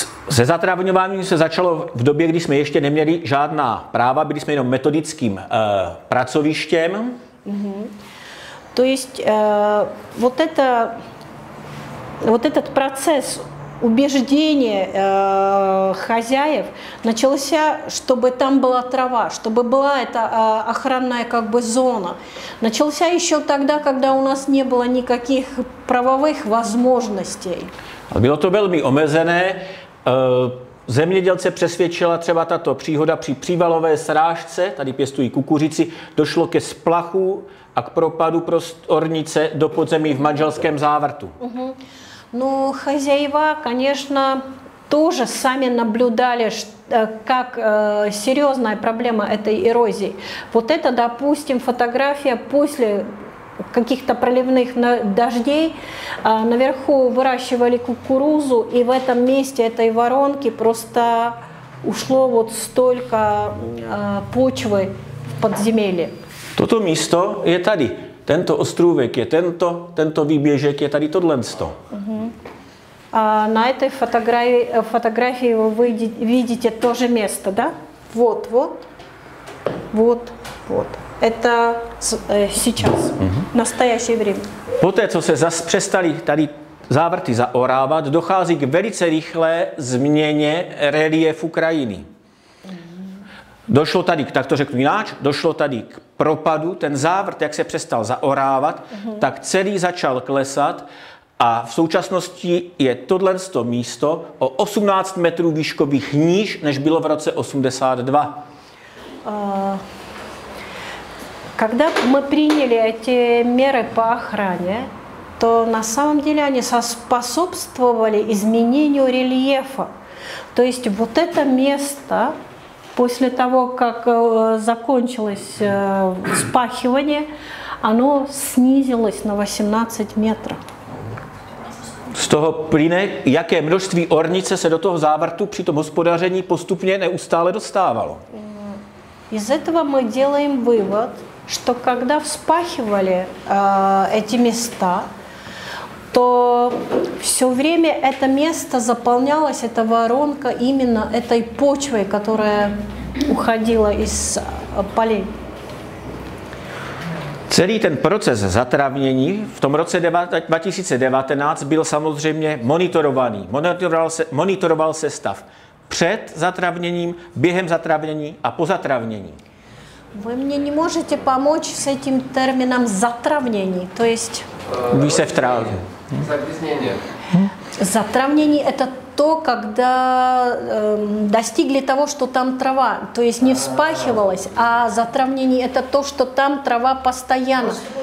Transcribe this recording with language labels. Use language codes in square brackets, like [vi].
[cs] Se zatravňováním se začalo v době, kdy jsme ještě neměli žádná práva, byli jsme jenom metodickým pracovištěm. [ru] То есть вот это вот этот процесс убеждения хозяев начался, чтобы там была трава, чтобы была эта охранная как бы зона. Начался еще тогда, когда у нас не было никаких правовых возможностей. Было то [cs] velmi omezené. Zemědělce přesvědčila třeba tato příhoda při přívalové srážce, tady pěstují kukuřici, došlo ke splachu a k propadu prostornice do podzemí v manželském závrtu. [ru] No, хозяева, конечно, тоже сами наблюдали, как серьезная проблема этой эрозии. Вот это, допустим, фотография после каких-то проливных дождей, наверху выращивали кукурузу, и в этом месте этой воронки просто ушло вот столько почвы в подземелье. [cs] Toto místo je tady. Tento ostrůvek je tento, tento výběžek je tady tohlensto. A na té fotografii vidíte tože místo, da? [ru] Вот, вот. Вот, вот. Это сейчас, настоящее время. [cs] Poté, co se zase přestali tady závrty zaorávat, dochází k velice rychlé změně reliefu krajiny. Došlo tady, tak to řekl Mináč, došlo tady k propadu, ten závrt, jak se přestal zaorávat, tak celý začal klesat a v současnosti je tohle místo o 18 metrů výškových níž, než bylo v roce 82. [ru] Когда мы приняли эти меры по охране, то на самом деле они способствовали изменению рельефа. То есть вот это место после того, как закончилось вспахивание, оно снизилось на 18 метров. [cs] Z toho plyne, jaké množství ornice se do toho závrtu při tom hospodaření postupně neustále dostávalo. [ru] Из этого мы делаем вывод, что когда вспахивали эти места, то все время это место заполнялось, эта воронка, именно этой почвой, которая уходила из полей. [cs] Celý ten proces zatravnění v tom roce 2019 byl samozřejmě monitorovaný. Monitoroval se stav před zatravněním, během zatravnění a po zatravnění. [ru] Вы мне не можете помочь с этим термином затравнений, то есть... Вы в травме. Загрязнение. Затравнение – это то, когда достигли того, что там трава, то есть не вспахивалось, а затравнение – это то, что там трава постоянно.